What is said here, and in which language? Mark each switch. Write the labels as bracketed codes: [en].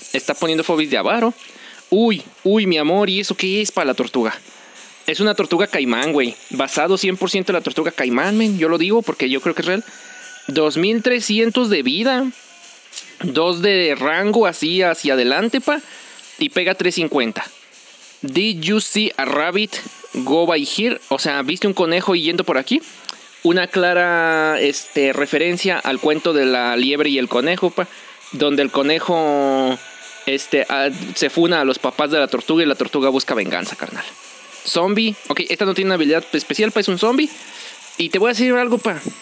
[es] Está poniendo fobis de avaro. Uy, mi amor. ¿Y eso qué es, pa, la tortuga? Es una tortuga caimán, güey. Basado 100% en la tortuga caimán, men. Yo lo digo porque yo creo que es real. 2300 de vida. 2 de rango así hacia adelante, pa. Y pega 350. [en] Did you see a rabbit go by here? [es] O sea, ¿viste un conejo yendo por aquí? Una clara referencia al cuento de la liebre y el conejo, pa, donde el conejo se funa a los papás de la tortuga y la tortuga busca venganza, carnal. Zombie. Ok, esta no tiene una habilidad especial, pa, es un zombie. Y te voy a decir algo, pa.